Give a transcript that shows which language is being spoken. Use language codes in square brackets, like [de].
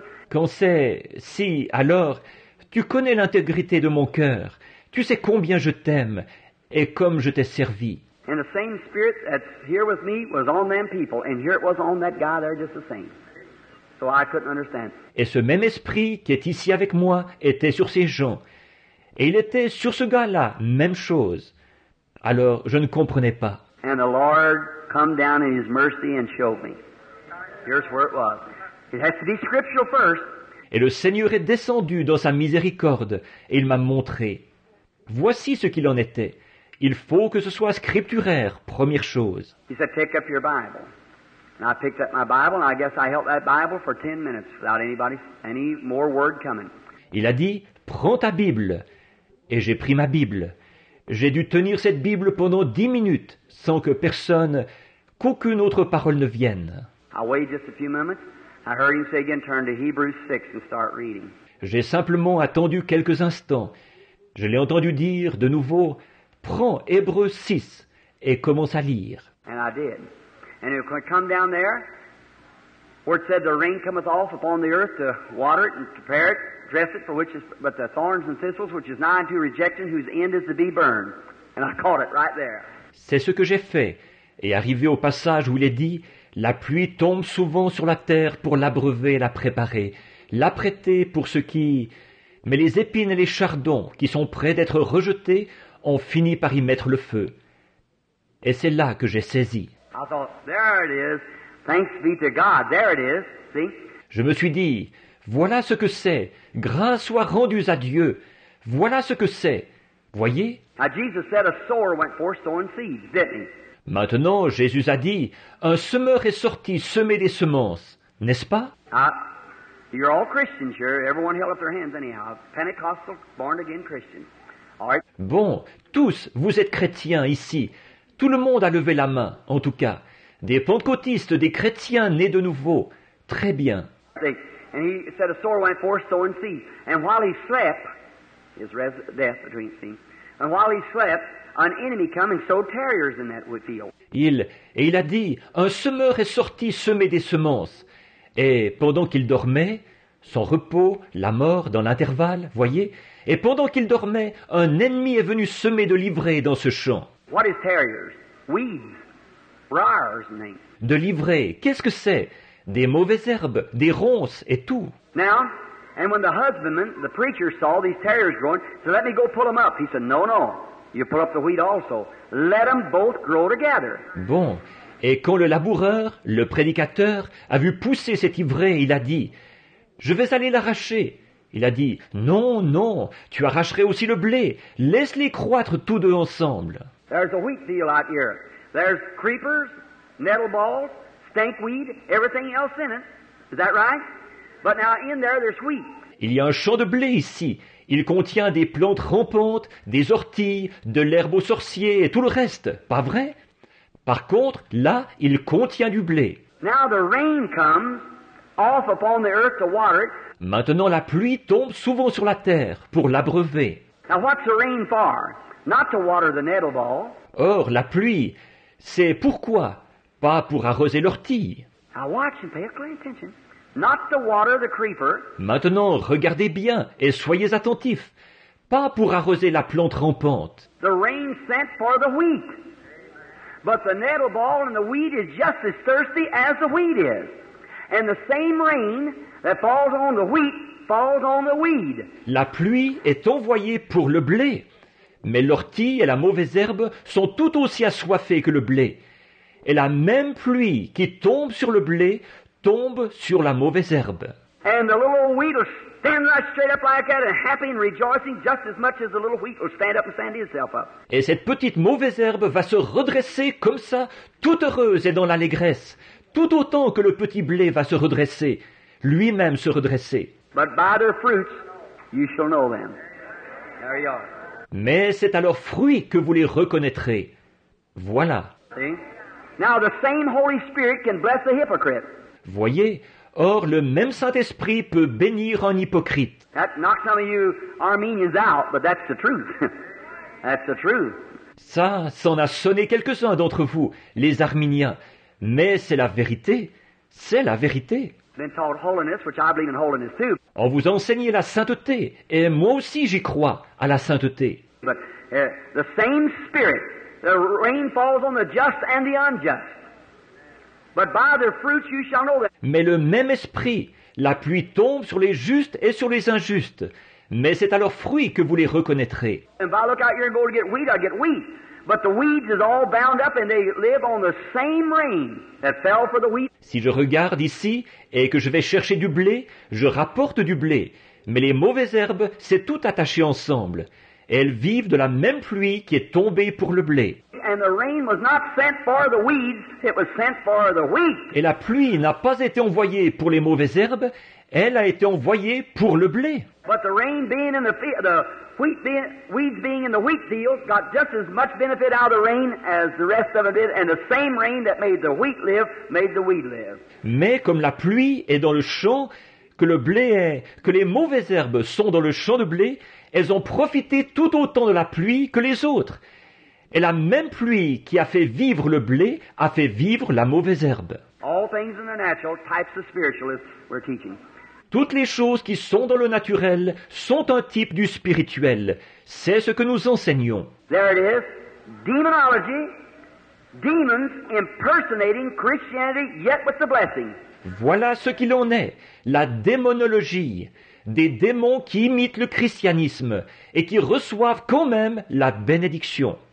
[fr] Quand c'est si, alors, tu connais l'intégrité de mon cœur. Tu sais combien je t'aime et comme je t'ai servi. [en] And the same spirit that's here with me was on them people. And here it was on that guy there just the same. So I couldn't understand. [fr] Et ce même esprit qui est ici avec moi était sur ces gens. Et il était sur ce gars-là, même chose. Alors, je ne comprenais pas. [en] And the Lord come down in his mercy and showed me. Here's where it was. It has to be scriptural first. [fr] Et le Seigneur est descendu dans sa miséricorde et il m'a montré. Voici ce qu'il en était. Il faut que ce soit scripturaire, première chose. [en] He said, take up your Bible. And I picked up my Bible, and I guess I held that Bible for 10 minutes without anybody, any more word coming. [fr] Il a dit, prends ta Bible. Et j'ai pris ma Bible. J'ai dû tenir cette Bible pendant 10 minutes sans que personne, qu'aucune autre parole ne vienne. [en] I waited just a few moments. I heard him say again, turn to Hebrews 6 and start reading. [fr] J'ai simplement attendu quelques instants. Je l'ai entendu dire de nouveau, prends Hébreux 6 et commence à lire. [en] And I did. And it would come down there, where it said the rain cometh off upon the earth to water it and prepare it, dress it, for which is but the thorns and thistles, which is nigh unto rejecting, whose end is to be burned. And I caught it right there. [fr] C'est ce que j'ai fait. Et arrivé au passage où il est dit, la pluie tombe souvent sur la terre pour l'abreuver et la préparer, l'apprêter pour ce qui... Mais les épines et les chardons, qui sont prêts d'être rejetés, ont fini par y mettre le feu. Et c'est là que j'ai saisi. [en] I thought, there it is. Thanks be to God. There it is. See? [fr] Je me suis dit, voilà ce que c'est. Grâce soit rendue à Dieu. Voilà ce que c'est. Voyez? [en] Now Jesus said a sower went forth sowing seeds, didn't he? [fr] Maintenant, Jésus a dit, un semeur est sorti semer des semences, n'est-ce pas? [en] You're all Christians here. Everyone held up their hands anyhow. Pentecostal, born-again Christian. All right. [fr] Bon, tous, vous êtes chrétiens ici. Tout le monde a levé la main, en tout cas. Des pentecôtistes, des chrétiens nés de nouveau. Très bien. [en] And he said a sower went forth sowing seeds. And while he slept, his death between seeds. And while he slept, an enemy came and sowed tares in that field. [fr] Il a dit, un semeur est sorti semer des semences. Et pendant qu'il dormait, son repos, la mort dans l'intervalle, voyez. Et pendant qu'il dormait, un ennemi est venu semer de l'ivraie dans ce champ. [en] What is tares? Weeds, briars, name. [fr] De l'ivraie. Qu'est-ce que c'est? Des mauvaises herbes, des ronces et tout. [en] Now. And when the husbandman, the preacher, saw these tares growing, said, let me go pull them up. He said, no, no, you pull up the wheat also. Let them both grow together. [fr] Bon, et quand le laboureur, le prédicateur, a vu pousser cette ivraie, il a dit, je vais aller l'arracher. Il a dit, non, non, tu arracherais aussi le blé. Laisse-les croître tous deux ensemble. [en] There's a wheat field out here. There's creepers, nettle balls, stankweed, everything else in it. Is that right? But now in there, there's wheat. [fr] Il y a un champ de blé ici. Il contient des plantes rampantes, des orties, de l'herbe aux sorciers et tout le reste. Pas vrai? Par contre, là, il contient du blé. [en] Now the rain comes off upon the earth to water it. [fr] Maintenant, la pluie tombe souvent sur la terre pour l'abreuver. [en] Now what's the rain for? Not to water the nettle ball. [fr] Or, la pluie, c'est pourquoi? Pas pour arroser l'ortie. [en] Now watch and pay a close attention. Not to water the creeper. [fr] Maintenant, regardez bien et soyez attentifs. Pas pour arroser la plante rampante. [en] The rain sent for the wheat. But the nettle ball and the wheat is just as thirsty as the wheat is. And the same rain that falls on the wheat falls on the weed. [fr] La pluie est envoyée pour le blé. Mais l'ortie et la mauvaise herbe sont tout aussi assoiffées que le blé. Et la même pluie qui tombe sur le blé tombe sur la mauvaise herbe. [en] And the little wheat will stand right straight up like that and happy and rejoicing just as much as the little wheat will stand up and stand itself up. [fr] Et cette petite mauvaise herbe va se redresser comme ça, toute heureuse et dans l'allégresse, tout autant que le petit blé va se redresser, lui-même se redresser. [en] But by their fruits, you shall know them. There you are. [fr] Mais c'est à leurs fruits que vous les reconnaîtrez. Voilà. [en] See? Now the same Holy Spirit can bless a hypocrite. [fr] Voyez, or le même Saint-Esprit peut bénir un hypocrite. [en] That knocks some of you Armenians out, but that's the truth. That's the truth. [fr] Ça, s'en a sonné quelques-uns d'entre vous, les Arméniens. Mais c'est la vérité. C'est la vérité. [en] Been taught holiness, which I believe in holiness too. [fr] On vous enseigne la sainteté, et moi aussi j'y crois, à la sainteté. [en] But the same spirit, the rain falls on the just and the unjust. But by their fruits you shall know them. [fr] Mais le même esprit, la pluie tombe sur les justes et sur les injustes. Mais c'est à leurs fruits que vous les reconnaîtrez. [en] If I look out here and go to get wheat, I get wheat. But the weeds is all bound up and they live on the same rain that fell for the wheat. [fr] Si je regarde ici et que je vais chercher du blé, je rapporte du blé. Mais les mauvaises herbes, c'est tout attaché ensemble. Elles vivent de la même pluie qui est tombée pour le blé. [en] And the rain was not sent for the weeds, it was sent for the wheat. [fr] Et la pluie n'a pas été envoyée pour les mauvaises herbes, elle a été envoyée pour le blé. [en] But the rain being in weeds being in the wheat fields got just as much benefit out of the rain as the rest of it did, and the same rain that made the wheat live made the weed live. [fr] Mais comme la pluie est dans le champ, que le blé est, que les mauvaises herbes sont dans le champ de blé, elles ont profité tout autant de la pluie que les autres. Et la même pluie qui a fait vivre le blé a fait vivre la mauvaise herbe. [en] All things in the natural, types of spiritualist, we're teaching. [fr] Toutes les choses qui sont dans le naturel sont un type du spirituel. C'est ce que nous enseignons. [en] There it is. Demonology. Demons impersonating Christianity yet with the blessing. [fr] Voilà ce qu'il en est. La démonologie. Des démons qui imitent le christianisme et qui reçoivent quand même la bénédiction.